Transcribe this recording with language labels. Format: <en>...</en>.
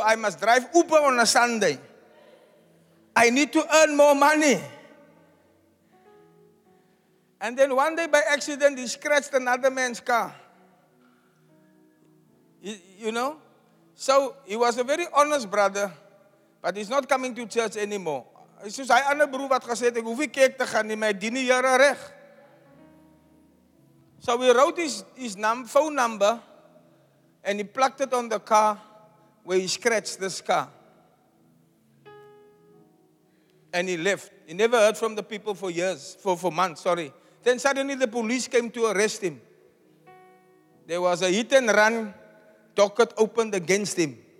<en>I must drive Uber on a Sunday. I need to earn more money. And then one day by accident, he scratched another man's car. You know? So he was a very honest brother, but he's not coming to church anymore. He says,</en> <af>I ander broer wat gesê het, ek hoef nie kerk te gaan nie, maar ek dien die Here reg.</af> <en>So we wrote his phone number and he plucked it on the car where he scratched this car. And he left. He never heard from the people for months. Then suddenly the police came to arrest him. There was a hit and run docket opened against him.</en>